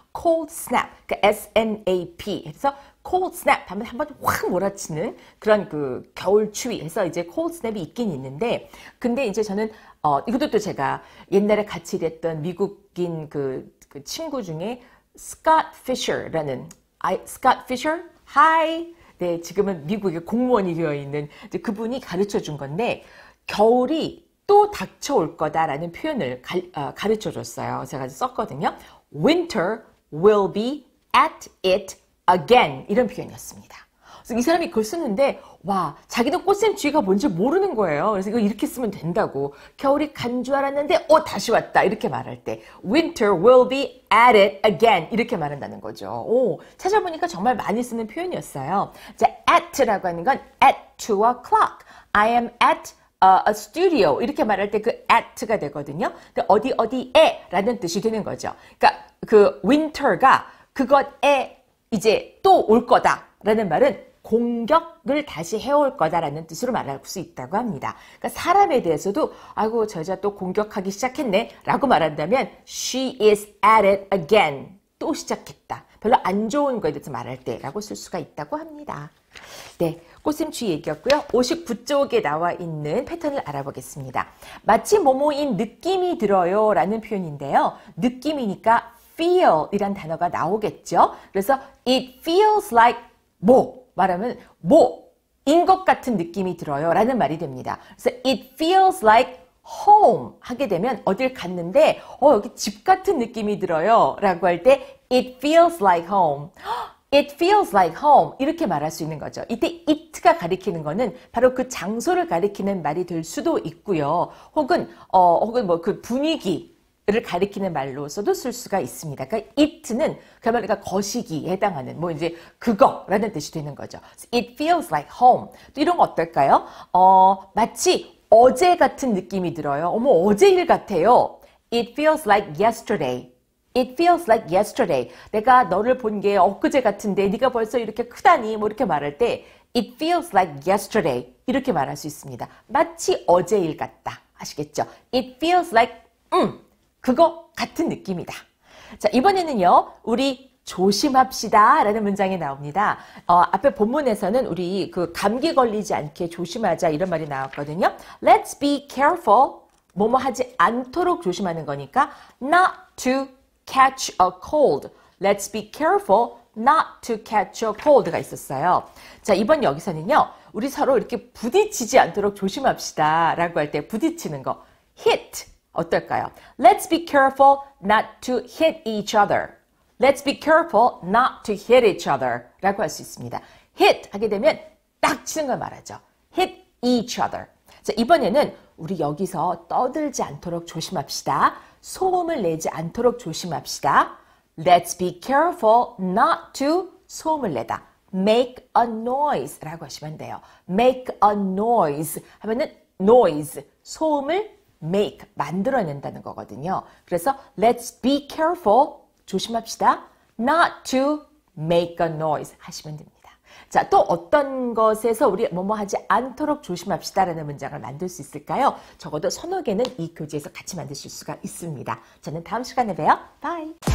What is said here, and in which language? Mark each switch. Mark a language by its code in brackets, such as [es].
[ko] Cold snap, 그 SNAP 해서 cold snap 하면 한번 확 몰아치는 그런 그 겨울 추위 해서 이제 cold snap이 있긴 있는데, 근데 이제 저는 이것도 또 제가 옛날에 같이 일했던 미국인 그 친구 중에 Scott Fisher라는 Scott Fisher, Hi. 네, 지금은 미국의 공무원이 되어 있는 이제 그분이 가르쳐 준 건데, 겨울이 또 닥쳐올 거다라는 표현을 가르쳐 줬어요. 제가 썼거든요. [en] Winter will be at it again. [ko] 이런 표현이었습니다. 그래서 이 사람이 그걸 쓰는데, 와, 자기도 꽃샘추위가 뭔지 모르는 거예요. 그래서 이거 이렇게 쓰면 된다고. 겨울이 간줄 알았는데, 다시 왔다. 이렇게 말할 때. [en] Winter will be at it again. [ko] 이렇게 말한다는 거죠. 오, 찾아보니까 정말 많이 쓰는 표현이었어요. 이제 at라고 하는 건 at 2 o'clock. [en] I am at a studio. [ko] 이렇게 말할 때그 at가 되거든요. 근데 어디 어디에 라는 뜻이 되는 거죠. 그러니까 그 winter가 그것에 이제 또올 거다라는 말은 공격을 다시 해올 거다라는 뜻으로 말할 수 있다고 합니다. 그러니까 사람에 대해서도, 아이고, 저 여자 또 공격하기 시작했네 라고 말한다면, [en] She is at it again. [ko] 또 시작했다. 별로 안 좋은 거에 대해서 말할 때라고 쓸 수가 있다고 합니다. 네. 꽃샘추위 얘기였고요. 59쪽에 나와 있는 패턴을 알아보겠습니다. 마치 뭐뭐인 느낌이 들어요 라는 표현인데요. 느낌이니까 feel 이란 단어가 나오겠죠. 그래서 [en] it feels like 뭐. [ko] 말하면 뭐인 것 같은 느낌이 들어요라는 말이 됩니다. 그래서 [en] it feels like home [ko] 하게 되면 어딜 갔는데 여기 집 같은 느낌이 들어요라고 할때 it feels like home. [en] It feels like home [ko] 이렇게 말할 수 있는 거죠. 이때 it가 가리키는 거는 바로 그 장소를 가리키는 말이 될 수도 있고요. 혹은 뭐그 분위기 를 가리키는 말로서도 쓸 수가 있습니다. 그러니까 it는 그야말로 거시기에 해당하는 뭐 이제 그거라는 뜻이 되는 거죠. [en] It feels like home. [ko] 또 이런 거 어떨까요? 마치 어제 같은 느낌이 들어요. 어머, 어제 일 같아요. [en] It feels like yesterday. It feels like yesterday. [ko] 내가 너를 본게 엊그제 같은데 네가 벌써 이렇게 크다니 뭐 이렇게 말할 때 [en] It feels like yesterday. [ko] 이렇게 말할 수 있습니다. 마치 어제 일 같다. 아시겠죠? [en] It feels like [ko] 그거 같은 느낌이다. 자, 이번에는요, 우리 조심합시다라는 문장이 나옵니다. 앞에 본문에서는 우리 그 감기 걸리지 않게 조심하자 이런 말이 나왔거든요. [en] Let's be careful. [ko] 뭐뭐 하지 않도록 조심하는 거니까 [en] not to catch a cold. Let's be careful not to catch a cold가 [ko] 있었어요. 자, 이번 여기서는요, 우리 서로 이렇게 부딪히지 않도록 조심합시다라고 할때 부딪히는 거, hit. 어떨까요? [en] Let's be careful not to hit each other. Let's be careful not to hit each other. [ko] 라고 할수 있습니다. Hit 하게 되면 딱 치는 걸 말하죠. [en] Hit each other. [ko] 자, 이번에는 우리 여기서 떠들지 않도록 조심합시다. 소음을 내지 않도록 조심합시다. [en] Let's be careful not to [ko] 소음을 내다. [en] Make a noise [ko] 라고 하시면 돼요. Make a noise 하면은 noise, 소음을 make, 만들어낸다는 거거든요. [en] 그래서 let's be careful, [ko] 조심합시다. [en] not to make a noise [ko] 하시면 됩니다. 자, 또 어떤 것에서 우리 뭐뭐 하지 않도록 조심합시다라는 문장을 만들 수 있을까요? 적어도 서너 개는 이 교재에서 같이 만드실 수가 있습니다. 저는 다음 시간에 봬요. 바이.